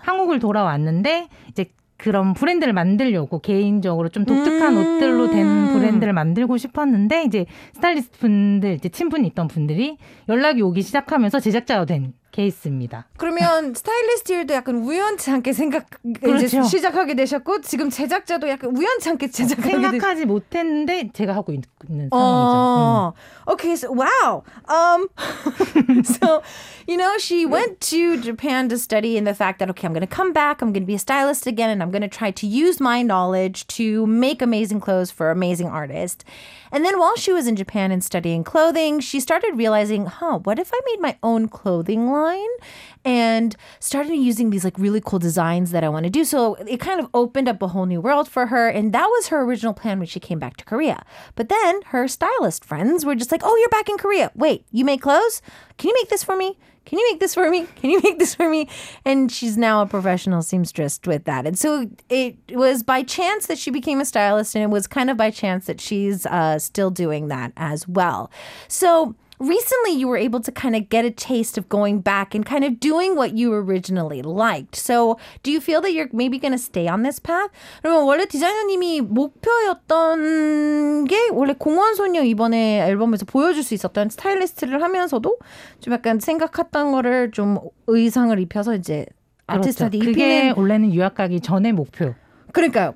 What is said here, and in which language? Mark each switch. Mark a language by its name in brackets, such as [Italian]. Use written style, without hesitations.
[Korean] 한국을 돌아왔는데 이제 그런 브랜드를 만들려고 개인적으로 좀 독특한 옷들로 된 브랜드를 만들고 싶었는데 이제 스타일리스트 분들 이제 친분이 있던 분들이 연락이 오기 시작하면서 제작자가 된 케이스입니다. 그러면 스타일리스트 일도 약간 우연치 않게 생각 그렇죠. 이제 시작하게 되셨고 지금 제작자도 약간 우연치 않게 제작하게 생각하지 못했는데 제가 하고 있는 상황이죠. [English] Okay, so wow. so you know, she went to Japan to study in the fact that okay, I'm going to come back, I'm going to be a stylist again, and I'm going to try to use my knowledge to make amazing clothes for amazing artists. And then while she was in Japan and studying clothing, she started realizing, huh, what if I made my own clothing line and started using these like really cool designs that I want to do. So it kind of opened up a whole new world for her. And that was her original plan when she came back to Korea. But then her stylist friends were just like, oh, you're back in Korea. Wait, you make clothes? Can you make this for me? Can you make this for me? Can you make this for me? And she's now a professional seamstress with that. And so it was by chance that she became a stylist, and it was kind of by chance that she's still doing that as well. So recently you were able to kind of get a taste of going back and kind of doing what you originally liked. So do you feel that you're maybe going to stay on this path? [Korean] 그러면 원래 디자이너님이 목표였던 게 원래 공원소녀 이번에 앨범에서 보여줄 수 있었던 스타일리스트를 하면서도 좀 약간 생각했던 거를 좀 의상을 입혀서 이제 아티스트한테 그렇죠. 그게 입히는 원래는 유학 가기 전에 목표. 그러니까요.